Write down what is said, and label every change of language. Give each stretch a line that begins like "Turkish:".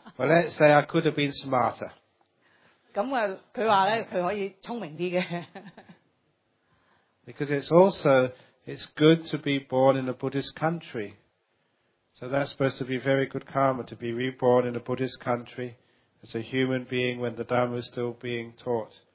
English: Well, let's say I could have been smarter.
Chinese: 他說他可以聰明一點的.
English: Because it's also, it's good to be born in a Buddhist country. So that's supposed to be very good karma, to be reborn in a Buddhist country as a human being when the Dharma is still being taught.